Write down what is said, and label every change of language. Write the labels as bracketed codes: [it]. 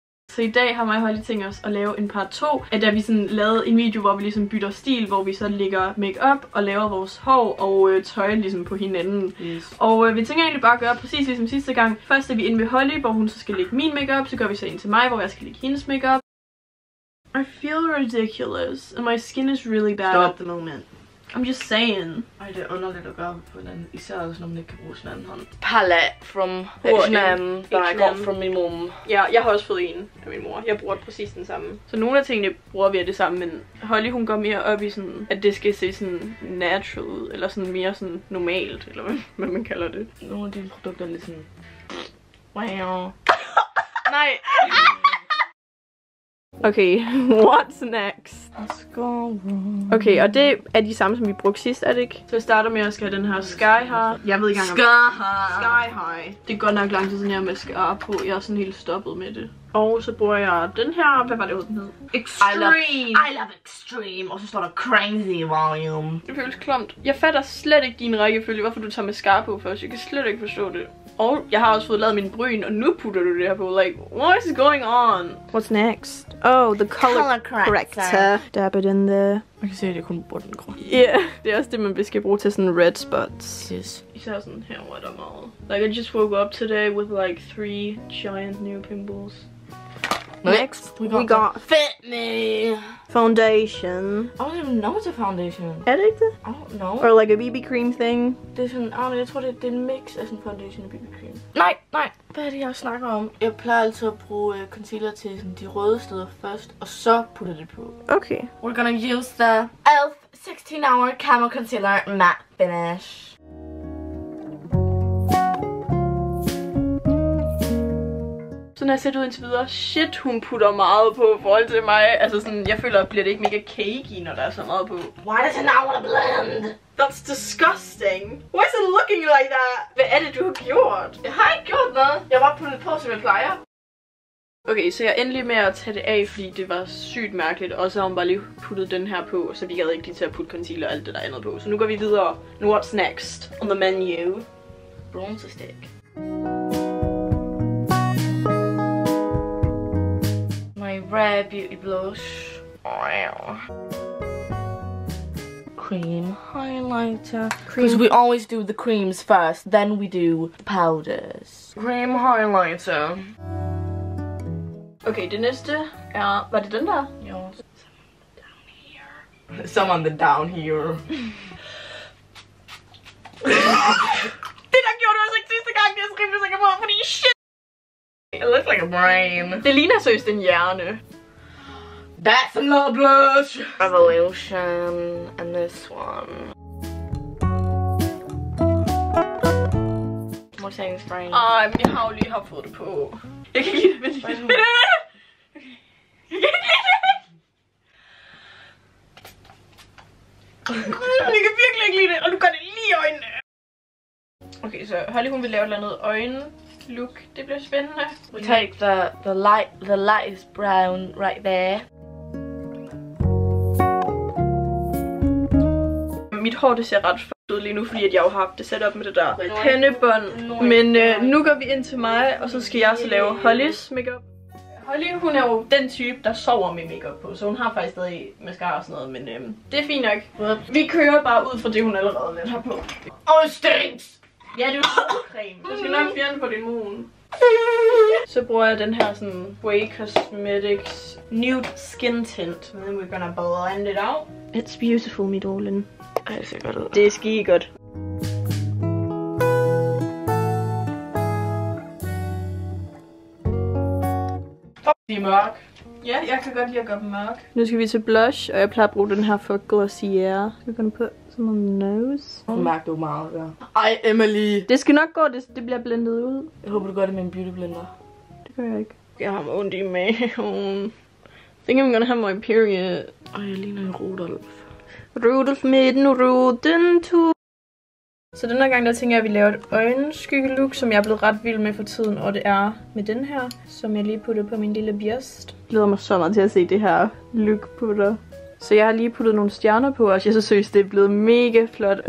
[da] Så i dag har mig og Holly tænkt os at lave en part 2, at da vi sådan lavede en video, hvor vi ligesom bytter stil, hvor vi så lægger makeup og laver vores hår og tøj ligesom på hinanden. [en] Yes. [da] Og vi tænker egentlig bare at gøre præcis ligesom sidste gang. Først er vi ind med Holly, hvor hun så skal lægge min makeup, så gør vi så ind til mig, hvor jeg skal lægge hendes makeup. [en] I feel ridiculous, and my skin is really bad. Stop at the moment. I'm just saying. [da] Ej, det er underligt at gøre på hinanden, især også, når man ikke kan bruge sin anden hånd. [en] Palette from H&M, that I got from my mom. [da] Ja, jeg har også fået en af min mor. Jeg bruger præcis den samme. Så nogle af tingene bruger vi af det samme, men Holly, hun går mere op i sådan, at det skal se sådan natural ud, eller sådan mere sådan normalt, eller hvad man kalder det. Nogle af dine produkter er lidt sådan... Wow. Nej. [en] Okay, what's next? [da] Okay, og det er de samme, som vi brugte sidst, er det ikke? Så jeg starter med at skære den her sky high. Jeg ved ikke engang om... Sky high. Det er godt nok lang tid, siden jeg har mascara på. Jeg er sådan helt stoppet med det. Og så bruger jeg den her. Hvad var det, hvor den hed? [en] Extreme. I love extreme. [da] Og så står der [en] crazy volume. [da] Det føles klamt. Jeg fatter slet ikke din rækkefølge, hvorfor du tager mascara på først. Jeg kan slet ikke forstå det. Og jeg har også fået lavet min bryn, og nu putter du det her på. [en] Like, what is going on? What's next? Oh, the color corrector. Dab it in there. [da] Man kan se, at jeg kun bruger den grøn. Yeah, det er også det, man skal bruge til sådan [en] red spots. Yes. [da] Især sådan her, hvor der er meget. [en] Like, I just woke up today with like 3 giant new pimples. Next, we got Fit Me! Foundation. I don't even know it's a foundation. [da] Er det ikke det? [en] I don't know. Or like a BB cream thing? [da] Det er sådan, jeg tror det er en mix af sådan foundation og BB cream. Nej! Hvad er det, jeg snakker om? Jeg plejer altid at bruge concealer til sådan de røde steder først, og så putter det på. Okay. [en] We're gonna use the e.l.f. 16 hour camo concealer matte finish. [da] Sådan har jeg set ud indtil videre. Shit, hun putter meget på i forhold til mig. Altså sådan, jeg føler, at bliver det ikke mega cakey, når der er så meget på. Why does it not want to blend? That's disgusting. Why is it looking like that? Hvad er det, du har gjort? Jeg har ikke gjort noget. Jeg har bare puttet på, som jeg plejer. Okay, så jeg er endelig med at tage det af, fordi det var sygt mærkeligt. Og så har hun bare lige puttet den her på, så vi gad ikke lige til at putte concealer og alt det der andet på. Så nu går vi videre. [en] And what's next on the menu? Bronzer stick. Red beauty blush. Wow. Cream highlighter. Because we always do the creams first, then we do powders. Cream highlighter. [da] Okay, det næste er, hvad er den der? Jo. [en] Someone the down here. [da] Det der gjorde du også ikke sidste gang, jeg skrev det sikkert på, fordi shit. [en] It looks like a brain. [da] Det ligner seriøst en hjerne. [en] That's a low blush! Revolution, and this one. More setting spray. [da] Ej, men jeg har jo lige fået det på. Jeg kan give det med lige det. Okay. Jeg kan virkelig ikke lide det, og du gør det lige i øjnene. Okay, så Holly, hun vil lave et eller andet øjne. Look, det bliver spændende. [en] We take the lightest brown right there. [da] Mit hår, det ser ret f***et ud lige nu, fordi at jeg har haft det sat op med det der pandebånd. Men nu går vi ind til mig, og så skal jeg så lave Hollys makeup. Holly, hun er jo den type, der sover med makeup på, så hun har faktisk stadig mascara og sådan noget, men det er fint nok. Vi kører bare ud fra det, hun allerede lidt har på. Åh, stinks! Ja, det er jo creme. Du skal nok fjerne på din mun. Så bruger jeg den her sådan Way Cosmetics Nude Skin Tint. [en] And then we're gonna blend it out. It's beautiful, me darling. [da] Ej, så godt ud. Det er skide godt. De er mørk. Ja, jeg kan godt lide at gøre dem mørk. Nu skal vi til blush, og jeg plejer at bruge den her for Glossier. Så kan du på sådan noget nose. Du mærker jo meget, ja. Ej, Emily. Det skal nok gå, det bliver blendet ud. Jeg håber, du gør det med en beauty blender. Det gør jeg ikke. Jeg har ondt i maven. [en] I think I'm gonna have my period. [da] Ej, jeg ligner en Rudolf. Rudolf med den ruden tur. Så den her gang, der tænker jeg, at vi laver et øjenskyggeluk, som jeg er blevet ret vild med for tiden. Og det er med den her, som jeg lige puttede på min lille bjæst. Jeg glæder mig så meget til at se det her look på dig. Så jeg har lige puttet nogle stjerner på, og jeg synes, det er blevet mega flot.